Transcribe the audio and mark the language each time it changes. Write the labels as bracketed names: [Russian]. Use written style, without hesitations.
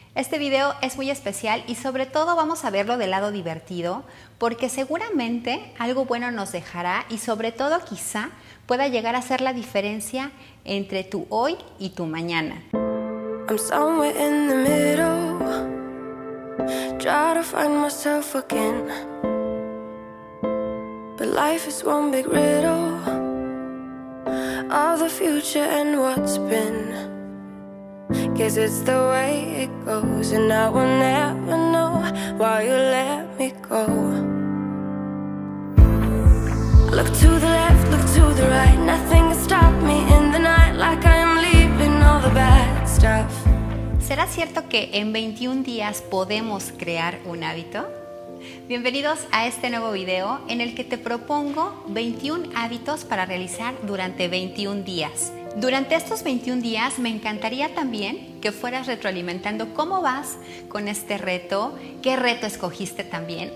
[Spanish] Este video es muy especial y sobre todo vamos a verlo del lado divertido, porque seguramente algo bueno nos dejará y sobre todo quizá pueda llegar a ser la diferencia entre tu hoy y tu mañana. [English] I'm somewhere in the middle, try to find myself again. But life is one big riddle, all the future and what's been. Guess it's the way it goes, and I will never know why you let me go. Look to the left, look to the right, nothing can stop me in the night, like I am leaving all the bad stuff. [Spanish] ¿Será cierto que en 21 días podemos crear un hábito? Bienvenidos a este nuevo video en el que te propongo 21 hábitos para realizar durante 21 días. Durante estos 21 días me encantaría también que fueras retroalimentando cómo vas con este reto, qué reto escogiste también.